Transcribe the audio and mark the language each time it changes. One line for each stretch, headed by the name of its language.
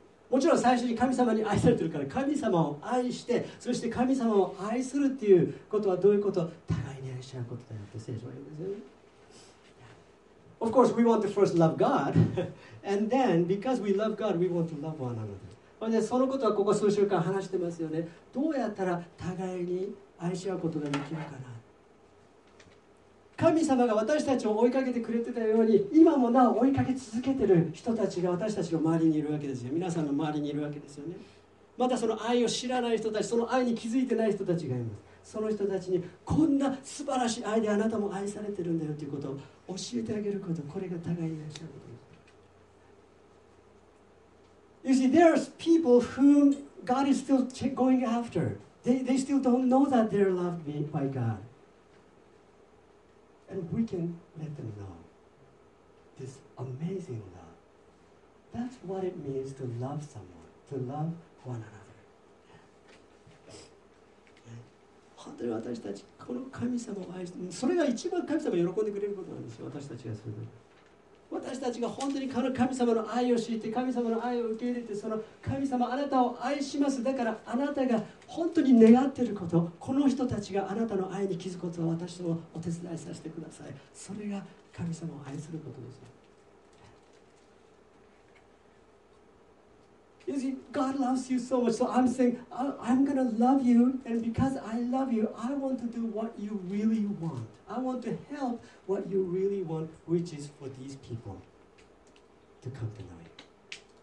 Japanese: もちろん最初に神様に愛されてるから神様を愛してそして神様を愛するっていうことはどういうこと互いに愛し合うことだよって聖書は言うんですよね。
English: Of course, we want to first love God. And then, because we love God, we want to love one another.
Japanese: ね、そのことはここ数週間話してますよね。どうやったら互いに愛し合うことができるかな。神様が私たちを追いかけてくれてたように今もなお追いかけ続けてる人たちが私たちの周りにいるわけですよ。皆さんの周りにいるわけですよね。またその愛を知らない人たち、その愛に気づいてない人たちがいます。その人たちにこんな素晴らしい愛であなたも愛されてるんだよということを教えてあげること、これが互いに愛し合うことです。
English: You see, there are people whom God is still going after. They still don't know that they're loved by God. And we can let them know this amazing love. That's what it means to love someone, to love one another.
Japanese: 本当に私たち、この神様を愛して、それが一番神様が喜んでくれることなんですよ、私たちがすると。私たちが本当にこの神様の愛を知って神様の愛を受け入れてその神様あなたを愛します、だからあなたが本当に願っていること、この人たちがあなたの愛に気づくことを私もお手伝いさせてください。それが神様を愛することです。
English: You see, God loves you so much. So I'm saying, I'm going to love you. And because I love you, I want to do what you really want. I want to help what you really want, which is for these people to come to know you.